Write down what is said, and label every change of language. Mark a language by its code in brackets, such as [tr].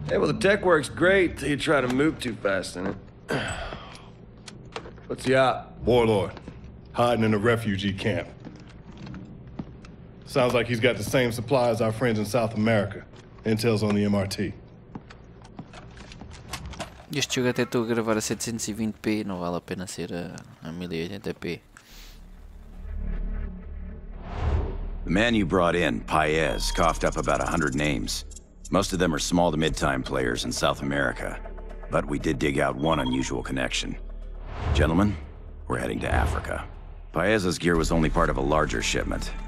[en] Hey, well, the tech works great till you try to move too fast in it. What's the op? Warlord, hiding in a refugee camp. Sounds like he's got the same supply as our friends in South America. Intel's on the MRT. [pt] Este jogo até estou a gravar a 720p, não vale a pena ser a 1080p. [en] The man you brought in, Paez, coughed up about 100 names. Most of them are small to mid-time players in South America. But we did dig out one unusual connection. Gentlemen, we're heading to Africa. Paez's gear was only part of a larger shipment.